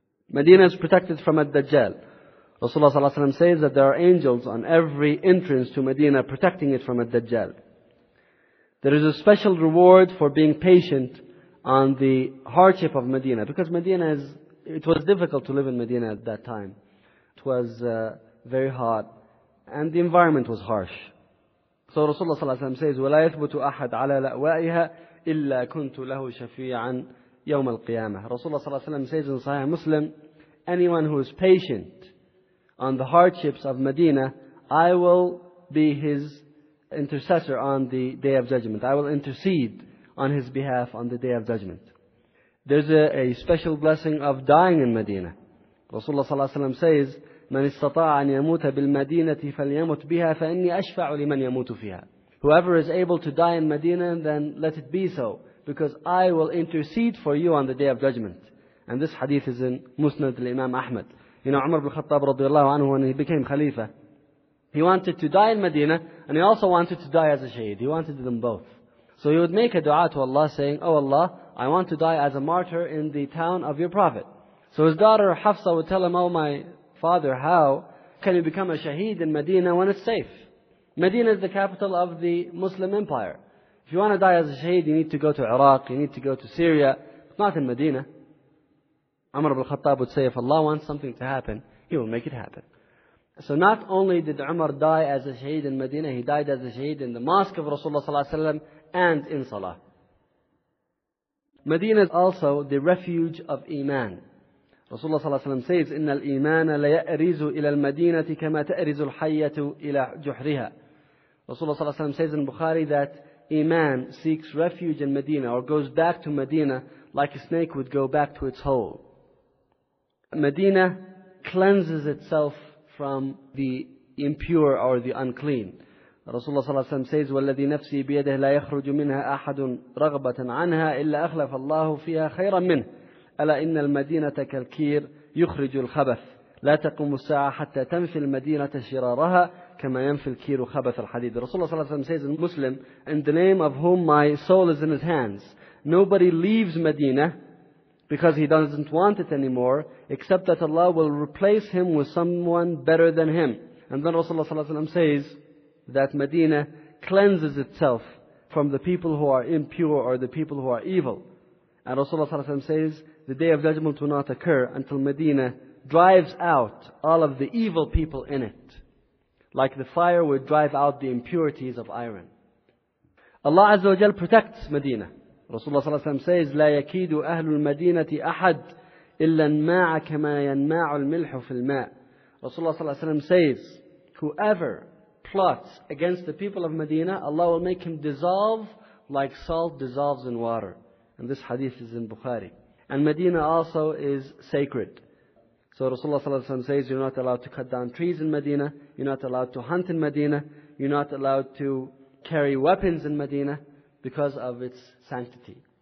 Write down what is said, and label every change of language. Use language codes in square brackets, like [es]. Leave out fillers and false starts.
[en] Medina is protected from Ad-Dajjal. Rasulullah sallallahu alayhi wa sallam says that there are angels on every entrance to Medina protecting it from Ad-Dajjal. There is a special reward for being patient on the hardship of Medina, because Medina is, it was difficult to live in Medina at that time. It was very hot, and the environment was harsh. So Rasulullah sallallahu alayhi wa sallam says, [ar] وَلَا يَثْبُتُ أَحَدْ عَلَى لَأْوَائِهَا إِلَّا كُنْتُ لَهُ شَفِيعًا يَوْمَ الْقِيَامَةِ. [en] Rasulullah sallallahu alayhi wa sallam says in Sahih Muslim, anyone who is patient on the hardships of Medina, I will be his intercessor on the Day of Judgment. I will intercede on his behalf on the Day of Judgment. There's a special blessing of dying in Medina. Rasulullah sallallahu alayhi wa sallam says, [ar] مَنِ اسْتَطَاعَ أَنْ يَمُوتَ بِالْمَدِينَةِ فَلْيَمُتْ بِهَا فَإِنِّي أَشْفَعُ لِمَنْ يَمُوتُ فِيهَا. [en] Whoever is able to die in Medina, then let it be so, because I will intercede for you on the Day of Judgment. And this hadith is in Musnad al-Imam Ahmad. You know, Umar ibn al-Khattab radiallahu anhu, when he became Khalifa, he wanted to die in Medina, and he also wanted to die as a shaheed. He wanted them both. So he would make a dua to Allah saying, Oh Allah, I want to die as a martyr in the town of your Prophet. So his daughter Hafsa would tell him, Oh my father, how can you become a shaheed in Medina when it's safe? Medina is the capital of the Muslim empire. If you want to die as a shaheed, you need to go to Iraq, you need to go to Syria, but not in Medina. Umar ibn al-Khattab would say, If Allah wants something to happen, He will make it happen. So not only did Umar die as a shaheed in Medina, he died as a shaheed in the mosque of Rasulullah sallallahu alayhi wa sallam, and in Salah. Medina is also the refuge of Iman. Rasulullah sallallahu alayhi wa sallam says, [ar] إِنَّ الْإِيمَانَ لَيَأْرِزُ إِلَى الْمَدِينَةِ كَمَا تَأْرِزُ الْحَيَّةُ إِلَى جُحْرِهَا. [en] Rasulullah sallallahu alayhi wa sallam says in Bukhari that Iman seeks refuge in Medina, or goes back to Medina like a snake would go back to its hole. Medina cleanses itself from the impure or the unclean. Rasulullah sallallahu alayhi wa sallam says, [ar] وَالَّذِي نَفْسِي بِيَدِهِ لَا يَخْرُجُ مِنْهَا أَحَدٌ رَغْبَةً عَنْهَا إِلَّا أَخْلَفَ اللَّهُ فِيهَا خَيْرًا مِنْهِ أَلَا إِنَّ الْمَدِينَةَ كَالْكِيرِ يُخْرِجُ الْخَبَثِ لَا تَقُمُ السَّاعَةَ حَتَّى تَنْفِي الْمَدِينَةَ شِرَارَهَا كَمَا يَنْفِي الْكِيرُ خَبَثَ الْحَدِيدِ. [en] Rasulullah sallallahu alayhi wa sallam says in Muslim, In the name of whom my soul is in his hands, nobody leaves Medina because he doesn't want it anymore, except that Allah will replace him with someone better than him. And then Rasulullah sallallahu alayhi wa sallam says, that Medina cleanses itself from the people who are impure or the people who are evil. And Rasulullah sallallahu alayhi wa sallam says, the Day of Judgment will not occur until Medina drives out all of the evil people in it. Like the fire would drive out the impurities of iron. Allah Azza wa Jal protects Medina. Rasulullah sallallahu alayhi wa sallam says, [ar] لا يكيد أهل المدينة أحد إلا انماع كما ينماع الملح في الماء. [en] Rasulullah sallallahu alayhi wa sallam says, whoever plots against the people of Medina, Allah will make him dissolve like salt dissolves in water. And this hadith is in Bukhari. And Medina also is sacred. So Rasulullah sallallahu alayhi wa sallam says, you're not allowed to cut down trees in Medina, you're not allowed to hunt in Medina, you're not allowed to carry weapons in Medina because of its sanctity.